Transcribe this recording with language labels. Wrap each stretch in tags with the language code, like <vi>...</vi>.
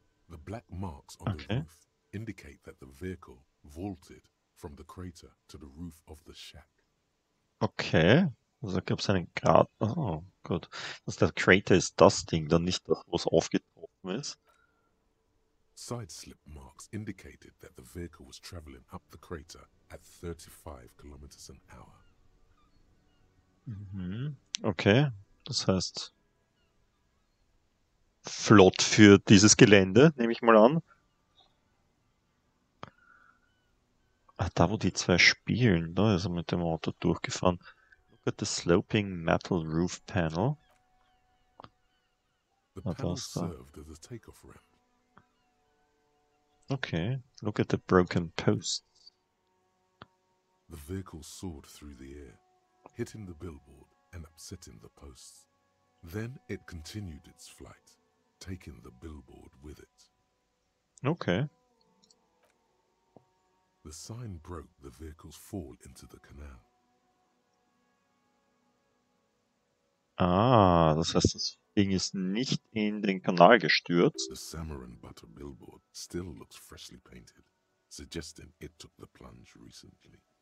<en>The black marks on the roof indicate that the vehicle vaulted from the crater to the roof of the shack.</en> <de>Okay, also gab es einen Grat. Oh, gut. Also der Crater ist das Ding, dann nicht das, was aufgetroffen ist.</de> <en>Sideslip marks indicated that the vehicle was traveling up the crater at 35 kilometers an hour.</en> <de>Okay, das heißt flott für dieses Gelände, nehme ich mal an. Ach, da wo die zwei spielen, da ist er mit dem Auto durchgefahren.</de> <en>Look at the sloping metal roof panel. The panel served as a takeoff ramp. Okay, look at the broken posts. The vehicle soared through the air, hitting the billboard and upsetting the posts. Then it continued its flight, taking the billboard with it. Okay. The sign broke the vehicle's fall into the canal.</en> <de>Ah, das heißt, das Ding ist nicht in den Kanal gestürzt.</de> <en>The Samaran Butter billboard still looks freshly painted, suggesting it took the plunge recently.</en>